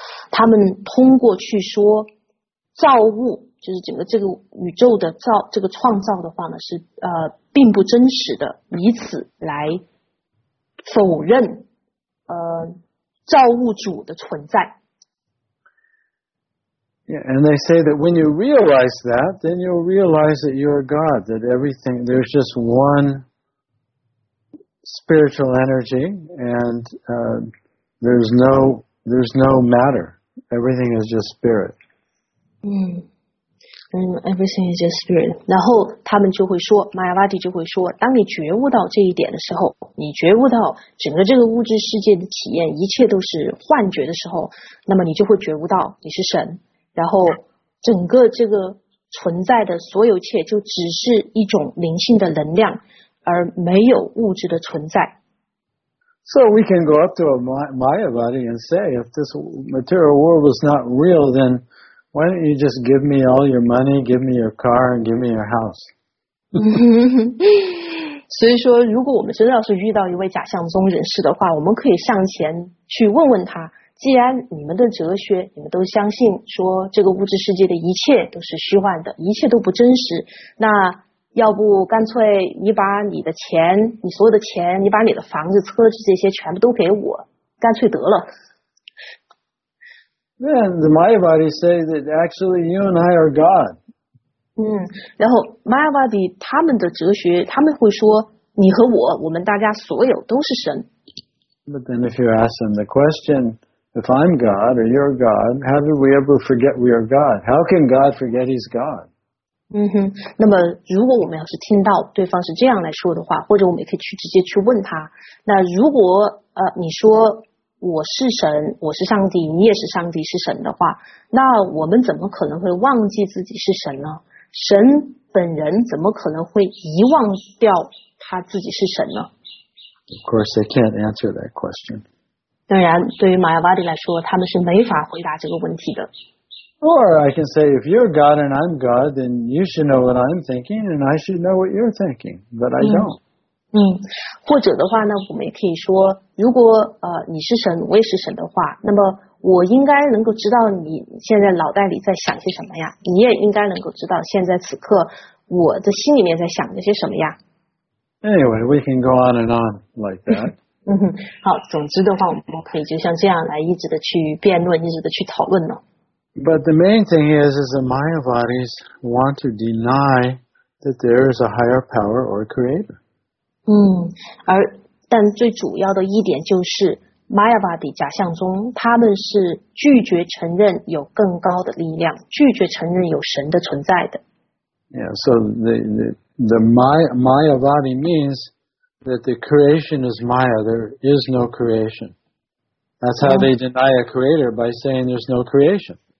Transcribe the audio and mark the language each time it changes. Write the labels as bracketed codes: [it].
[zh] 他们通过去说造物，就是整个这个宇宙的造，这个创造的话呢，是并不真实的，以此来否认造物主的存在。 [en] Yeah, and they say that when you realize that, then you'll realize that you're God, that everything, there's just one spiritual energy, and there's no matter. Everything is just spirit. Everything is just spirit. [zh] 然后他们就会说 ,Mayavadi 就会说，当你觉悟到这一点的时候，你觉悟到整个这个物质世界的体验一切都是幻觉的时候，那么你就会觉悟到你是神，然后整个这个存在的所有切就只是一种灵性的能量，而没有物质的存在。 [en] So we can go up to a Mayavadi and say, if this material world was not real, then why don't you just give me all your money, give me your car, and give me your house? [zh] 所以说如果我们真的要是遇到一位假象宗人士的话，我们可以上前去问问他，既然你们的哲学你们都相信说这个物质世界的一切都是虚幻的，一切都不真实，那要不干脆你把你的钱，你所有的钱，你把你的房子车子这些全部都给我，干脆得了。 [en] Then the Mayavadi say that actually you and I are God. [zh] 然后 Mayavadi 他们的哲学，他们会说你和我，我们大家所有都是神。 [en] But then if you ask them the question, if I'm God or you're God, how do we ever forget we are God? How can God forget he's God? [zh] 那么如果我们要是听到对方是这样来说的话，或者我们也可以去直接去问他，那如果你说我是神，我是上帝，你也是上帝，是神的话，那我们怎么可能会忘记自己是神呢？神本人怎么可能会遗忘掉他自己是神呢？ [en] Of course they can't answer that question. [zh] 当然对于马亚瓦迪来说，他们是没法回答这个问题的。 [en] Or I can say, if you're God and I'm God, then you should know what I'm thinking, and I should know what you're thinking, but I don't. [zh] 或者的话呢，我们也可以说，如果你是神，我也是神的话，那么我应该能够知道你现在脑袋里在想些什么呀？你也应该能够知道现在此刻我的心里面在想着些什么呀？ [en] Anyway, we can go on and on like that. [zh] 好，总之的话，我们可以就像这样来一直的去辩论，一直的去讨论呢。 [en] But the main thing is that Mayavadis want to deny that there is a higher power or creator. [zh] 而但最主要的一点就是 Mayavadi 假象中，他们是拒绝承认有更高的力量，拒绝承认有神的存在的。 [en] Yeah, so the Mayavadi means that the creation is Maya. There is no creation. That's how they deny a creator by saying there's no creation.